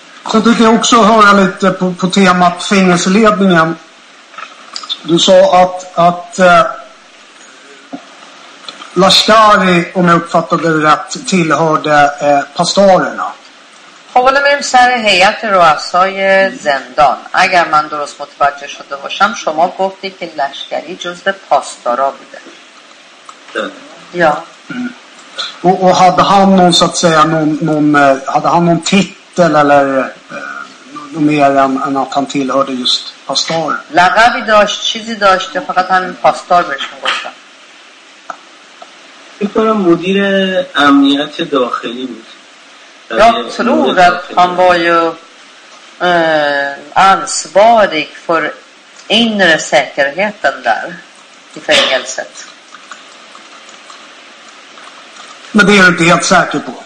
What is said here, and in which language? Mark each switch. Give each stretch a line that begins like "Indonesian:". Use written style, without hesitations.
Swedish: Så tycker jag också höra lite på temat fängelseledningen. Du sa att Lashkari, om jag uppfattade det rätt, tillhörde pastarerna.
Persian: حالا میریم سر هیئت رؤسای زندان. اگر من درست متوجه شده باشم شما گفتی که لشکری جزء پاسدارا بوده.
Swedish: یا و hade han någon så att säga någon hade han någon titel eller mer än att han tillhörde just pastor.
Persian: لقبی داشت، چیزی داشت، فقط همین پاستار بهشون گفتم. اینطور مدیر امنیت داخلی بود.
Swedish: Jag tror att han var ju ansvarig för inre säkerheten där i fängelset? Men det är du inte helt säker på.